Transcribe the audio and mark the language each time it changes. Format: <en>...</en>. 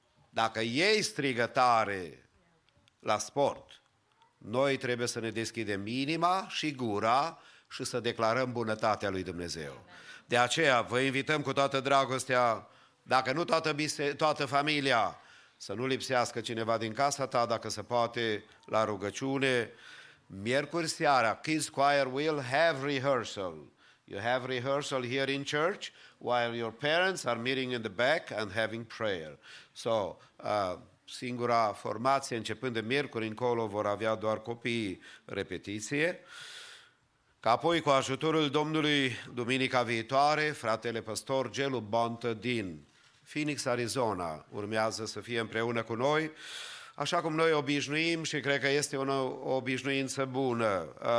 <ro>Dacă ei strigă tare la sport, noi trebuie să ne deschidem inima și gura și să declarăm bunătatea lui Dumnezeu. De aceea vă invităm cu toată dragostea, dacă nu toată familia, să nu lipsească cineva din casa ta, dacă se poate, la rugăciune. Miercuri seara,</ro> <en>Kids Choir will have rehearsal. You have rehearsal here in church while your parents are meeting in the back and having prayer.</en> <ro>So, singura formație începând de miercuri încolo vor avea doar copiii repetiție. Ca apoi, cu ajutorul Domnului, duminica viitoare, fratele pastor Gelu Bontă din Phoenix, Arizona, urmează să fie împreună cu noi, așa cum noi obișnuim și cred că este o obișnuință bună.</ro>